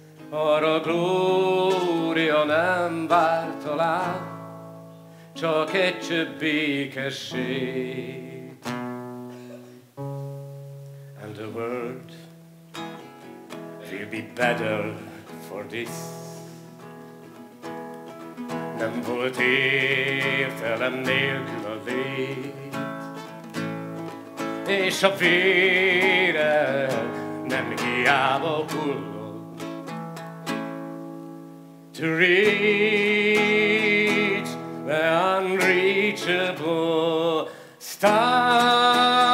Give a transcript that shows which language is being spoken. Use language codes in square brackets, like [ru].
[hu] Arra glória nem vár talán, csak egy csöbb békesség. [en] And the world will be better for this. [hu] Nem volt értelem nélkül a lét, és a vére nem hiába hullott. [en] To reach the unreachable star.